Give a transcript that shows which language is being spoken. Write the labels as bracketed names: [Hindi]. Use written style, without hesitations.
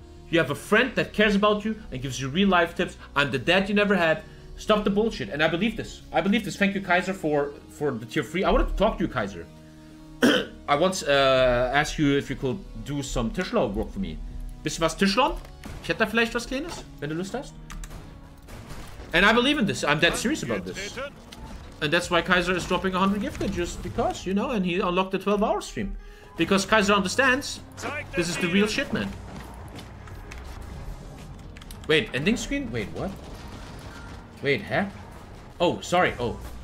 [English] You have a friend that cares about you and gives you real life tips. I'm the dad you never had. Stop the bullshit. And I believe this. I believe this. Thank you, Kaiser, for the tier 3. I wanted to talk to you, Kaiser. I once asked you if you could do some Tischler work for me. [German] Bist du was Tischler? Ich hätte da vielleicht was Kleines, wenn du Lust hast. [English] And I believe in this. I'm that serious about this. And that's why Kaiser is dropping 100 gifted, just because, you know, and he unlocked the 12-hour stream. Because Kaiser understands this is the real shit, man. Wait, ending screen? Wait, what? Wait, huh? Oh, sorry. Oh.